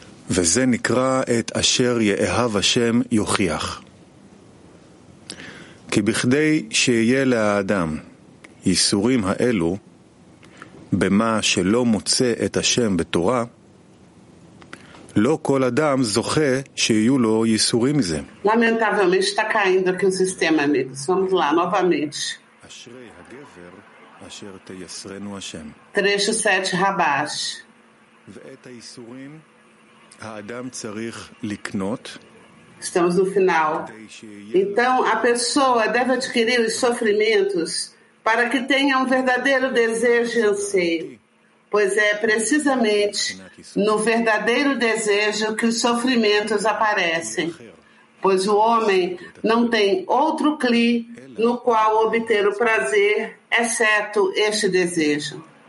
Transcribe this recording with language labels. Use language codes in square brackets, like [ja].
[he] וזה נקרא את אשר יאהב השם יוכיח. כי בכדי שיהיה לאדם איסורים האלו, במה שלא מוצא את השם בתורה, לא כל אדם זוכה שיהיו לו ייסורים מזה. [pt] Lamentavelmente está caindo aqui o sistema, amigos. Vamos lá, novamente. [he] אשרי הגבר אשר תייסרנו השם. [pt] Trecho 7, Rabash. [he] ואת הייסורים האדם צריך לקנות. [pt] Estamos no final. Então, a pessoa deve adquirir os sofrimentos para que tenha um verdadeiro desejo e anseio. Pois é precisamente no verdadeiro desejo que os sofrimentos aparecem. Pois o homem não tem outro cli no qual obter o prazer, exceto este desejo.